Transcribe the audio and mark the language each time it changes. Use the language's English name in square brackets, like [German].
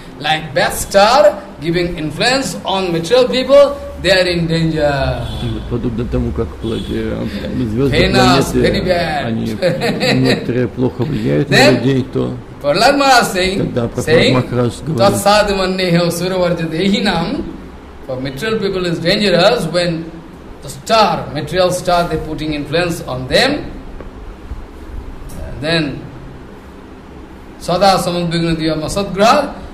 [English] Like bad star giving influence on material people, they are in danger. [Russian] Подобно тому, как звезды планеты, они некоторые плохо влияют на людей, то... [English] Prahlad Maharaj saying, [Sanskrit] Tat sadhu manne he asura varja dehi nam, [English] for material people is dangerous when the star, material star, they putting influence on them. [Sanskrit] Then, sada samadbhigna diya masad graha,